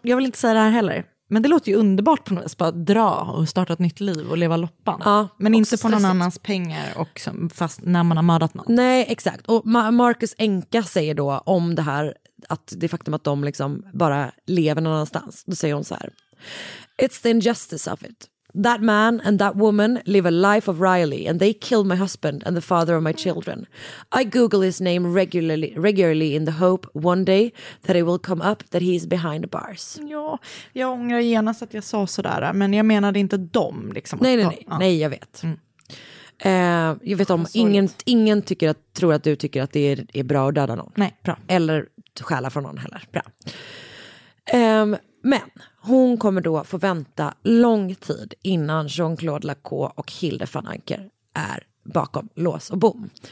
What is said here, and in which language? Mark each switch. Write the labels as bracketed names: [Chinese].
[Swedish] jag vill inte säga det här heller. Men det låter ju underbart på något sätt att dra och starta ett nytt liv och leva loppan. Ja, men inte på stressigt. Någon annans pengar och fast när man har mördat någon. Nej, exakt. Och Marcus Enka säger då om det här, att det faktum att de liksom bara lever någon annanstans. Då säger hon så här: [English] "It's the injustice of it. That man and that woman live a life of Riley and they killed my husband and the father of my children. I Google his name regularly in the hope one day that it will come up that he is behind bars." [Swedish] Ja, jag ångrar genast att jag sa sådär, men jag menade inte dem. Liksom. Nej, jag vet. Jag vet om ingen tror att du tycker att det är bra att döda någon. Nej, bra. Eller stjäla från någon heller. Bra. Men hon kommer då få vänta lång tid innan Jean-Claude Lacroix och Hilde van Anker är bakom lås och bom.